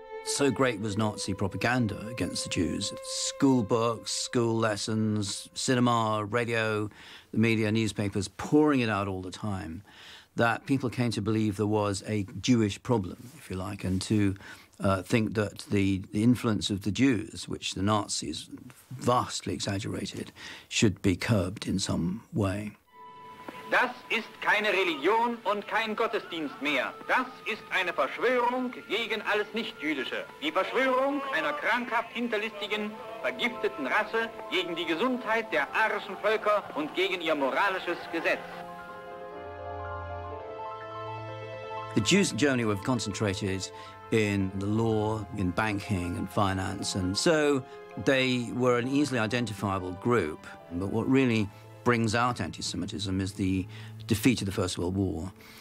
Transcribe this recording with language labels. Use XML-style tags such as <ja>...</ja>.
<en>So great was Nazi propaganda against the Jews. School books, school lessons, cinema, radio, the media, newspapers, pouring it out all the time, that people came to believe there was a Jewish problem, if you like, and to think that the influence of the Jews, which the Nazis vastly exaggerated, should be curbed in some way.</en> <de>Das ist keine Religion und kein Gottesdienst mehr. Das ist eine Verschwörung gegen alles Nichtjüdische. Die Verschwörung einer krankhaft hinterlistigen, vergifteten Rasse gegen die Gesundheit der arischen Völker und gegen ihr moralisches Gesetz.</de> <en>The Jews in Germany were concentrated in the law, in banking and finance, and so they were an easily identifiable group. But what really brings out anti-Semitism is the defeat of the First World War.</en>